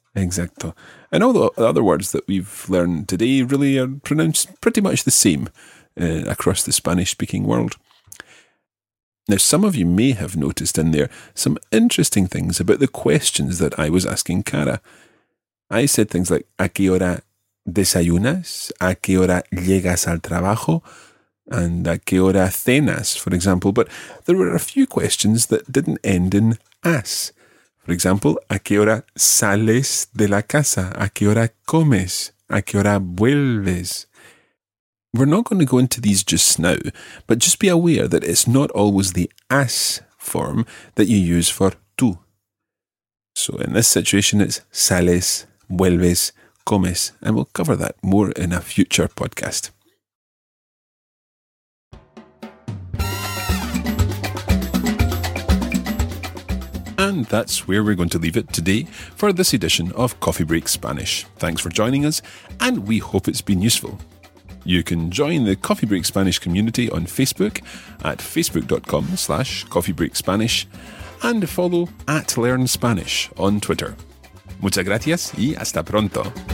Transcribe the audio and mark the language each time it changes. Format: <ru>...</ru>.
<es>Exacto.</es> <en>And all the other words that we've learned today really are pronounced pretty much the same across the Spanish-speaking world. Now, some of you may have noticed in there some interesting things about the questions that I was asking Cara. I said things like,</en> <es>¿a qué hora desayunas? ¿A qué hora llegas al trabajo?</es> <en>And</en> <es>¿a qué hora cenas?,</es> <en>for example.</en> <es>But there were a few questions that didn't end in as.</es> <en>For example,</en> <es>¿a qué hora sales de la casa? ¿A qué hora comes? ¿A qué hora vuelves?</es> <en>We're not going to go into these just now, but just be aware that it's not always the as form that you use for tú. So in this situation, it's sales, vuelves, comes, and we'll cover that more in a future podcast. And that's where we're going to leave it today for this edition of Coffee Break Spanish. Thanks for joining us, and we hope it's been useful. You can join the Coffee Break Spanish community on Facebook at facebook.com/coffeebreakspanish and follow @learnspanish on Twitter.</en> <es>Muchas gracias y hasta pronto.</es>